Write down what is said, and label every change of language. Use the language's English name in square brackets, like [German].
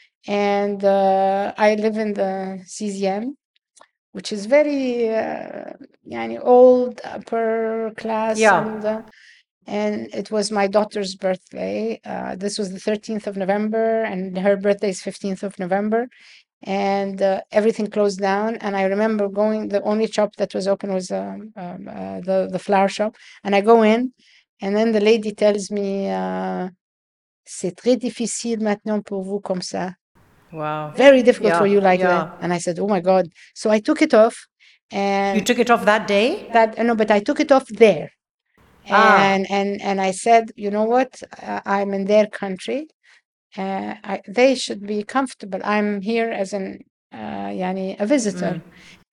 [English] And I live in the Sixième, which is very old, upper class. Yeah. And it was my daughter's birthday. This was the 13th of November, and her birthday is 15th of November. And everything closed down. And I remember going, the only shop that was open was the flower shop. And I go in, and then the lady tells me, [French] c'est très difficile maintenant pour vous comme ça. [English] Wow. Very difficult for you like that. And I said, oh my God. So I took it off. And you took it off that day? But I took it off there. And I said, you know what? I'm in their country. They should be comfortable. I'm here as a visitor. Mm.